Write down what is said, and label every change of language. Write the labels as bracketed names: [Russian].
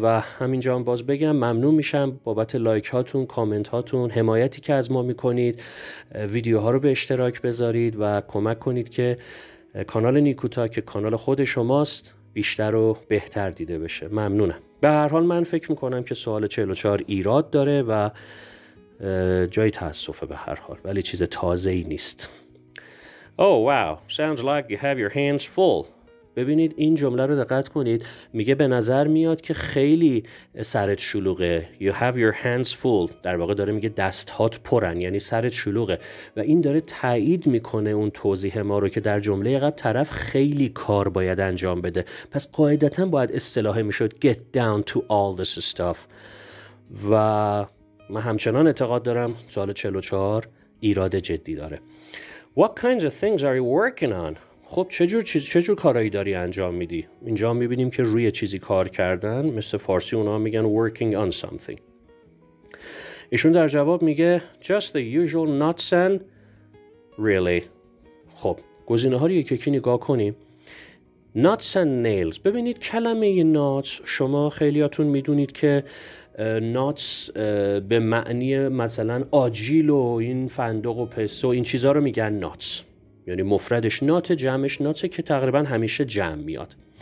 [Persian] و همینجا هم باز بگم ممنون میشم بابت لایک هاتون، کامنت هاتون، حمایتی که از ما میکنید، ویدیوها رو به اشتراک بذارید و کمک کنید که کانال نیکوتا که کانال خود شماست بیشتر و بهتر دیده بشه. ممنونم. به هر حال من فکر میکنم که سوال 44 ایراد داره و جای تأسفه به هر حال، ولی چیز تازه‌ای نیست. [English] Oh wow, sounds like you have your hands full. [Persian] ببینید این جمله رو دقت کنید، میگه به نظر میاد که خیلی سرت شلوغه. [English] You have your hands full. [Persian] در واقع داره میگه دستات پرن، یعنی سرت شلوغه. و این داره تایید میکنه اون توضیح ما رو که در جمله قبل طرف خیلی کار باید انجام بده. پس قاعدتا باید اصطلاح میشد [English] get down to all this stuff. [Persian] و من همچنان اعتقاد دارم سال 44 ایراد جدی داره. [English] What kinds of things are you working on? [Persian] خب چجور کارهایی داری انجام میدی؟ اینجا میبینیم که روی چیزی کار کردن، مثل فارسی اونا میگن [English] working on something. [Persian] ایشون در جواب میگه [English] just the usual nuts and really. [Persian] خب گزینه ها رو یکی نگاه کنیم. [English] Nuts and nails. [Persian] ببینید کلمه ی nuts، شما خیلیاتون میدونید که ناتس به معنی مثلا آجیل و این فندق و پسته و این چیزا رو میگن ناتس، یعنی مفردش نات، جمعش ناتسه که تقریبا همیشه جمع میاد.